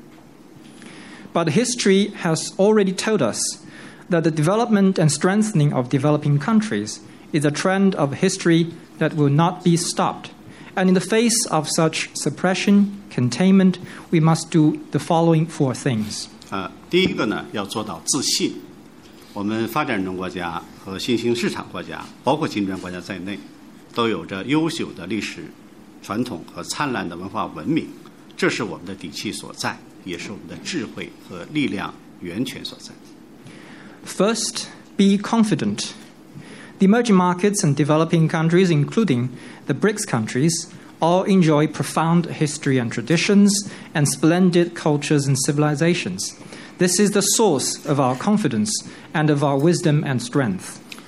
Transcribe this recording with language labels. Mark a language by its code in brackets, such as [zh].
[en] But history has already told us that the development and strengthening of developing countries is a trend of history that will not be stopped. And in the face of such suppression, containment, we must do the following four things. [zh] 第一个呢，要做到自信。我们发展中国家和新兴市场国家，包括金砖国家在内，都有着优秀的历史传统和灿烂的文化文明。这是我们的底气所在，也是我们的智慧和力量源泉所在。 [en] First, be confident. The emerging markets and developing countries, including the BRICS countries, all enjoy profound history and traditions and splendid cultures and civilizations. This is the source of our confidence and of our wisdom and strength.